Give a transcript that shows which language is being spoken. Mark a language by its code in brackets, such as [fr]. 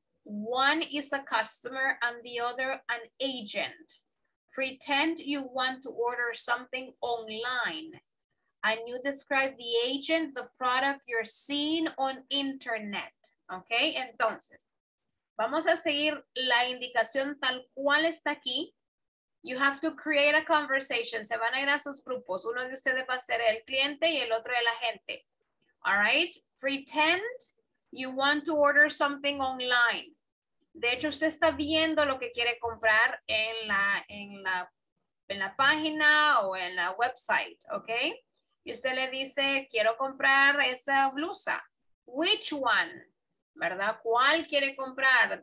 [en] One is a customer and the other an agent. Pretend you want to order something online and you describe the agent, the product you're seeing on internet. [es] Okay, entonces, vamos a seguir la indicación tal cual está aquí. [en] You have to create a conversation. [es] Se van a ir a sus grupos. Uno de ustedes va a ser el cliente y el otro el agente. [en] All right, pretend you want to order something online. [es] De hecho, usted está viendo lo que quiere comprar en la página o en la website, okay? Y usted le dice, quiero comprar esa blusa. [en] Which one, [es] ¿verdad? ¿Cuál quiere comprar?